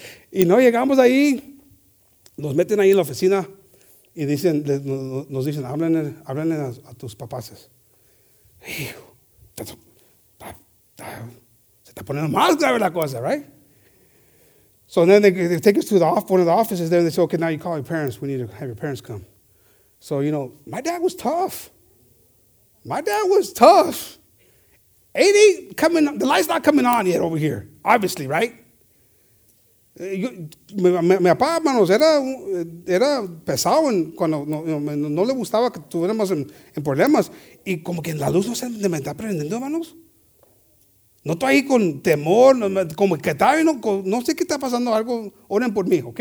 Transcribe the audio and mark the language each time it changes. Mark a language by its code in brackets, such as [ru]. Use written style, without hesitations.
[es] Y no llegamos ahí. Nos meten ahí en la oficina y nos dicen, háblenle a tus papás. Hijo, se está poniendo más grave la cosa, right? [en] So then they take us to one of the offices there, and they say, okay, now you call your parents. We need to have your parents come. So, you know, my dad was tough. The light's not coming on yet over here, obviously, right? [es] Mi papá, hermanos, era pesado cuando no le gustaba que tuviéramos en problemas. Y como que la luz no se me está prendiendo, hermanos. No estoy ahí con temor, como que estaba viendo, no sé qué está pasando, algo, oren por mí, ¿ok?